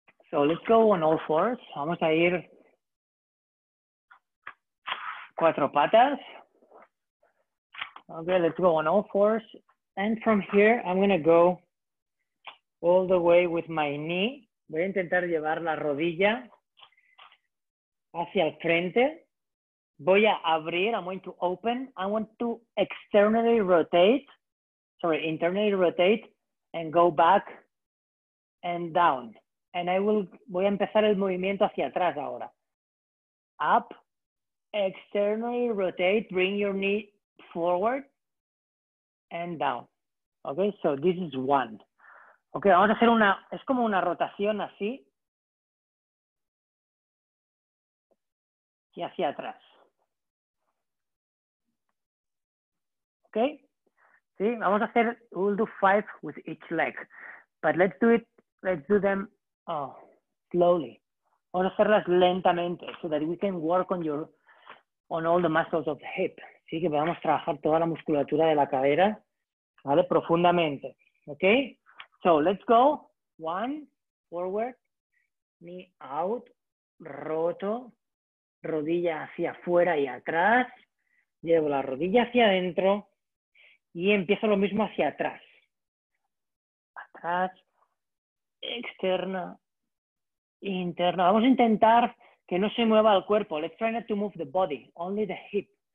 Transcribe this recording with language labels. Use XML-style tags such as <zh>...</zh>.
<en>So let's go on all fours.</en> <es>Vamos a ir cuatro patas.</es> <en>Okay, let's go on all fours. And from here, I'm going to go all the way with my knee.</en> <es>Voy a intentar llevar la rodilla hacia el frente. Voy a abrir.</es> <en>I'm going to open. I want to externally rotate. Sorry, internally rotate and go back and down.</en> <es>And voy a empezar el movimiento hacia atrás ahora. Up.</es> <en>Externally rotate, bring your knee forward and down. Okay, so this is one.</en> <es>Okay, vamos a hacer es como una rotación así y hacia atrás.</es> <en>Okay,</en> <es>sí, vamos a hacer,</es> <en>we'll do five with each leg, but let's do them slowly.</en> <es>Vamos a hacerlas lentamente</es> <en>so that we can work on all the muscles of the hip.</en> <es>Sí, que podamos trabajar toda la musculatura de la cadera, ¿vale?</es> <en>Profundamente. Okay? So, let's go. One, forward, knee out, roto,</en> <es>rodilla hacia afuera y atrás, llevo la rodilla hacia adentro y empiezo lo mismo hacia atrás. Atrás, externa, interna. Vamos a intentar que no se mueva el cuerpo.</es> <en>Let's try not to move the body, only the hip.</en>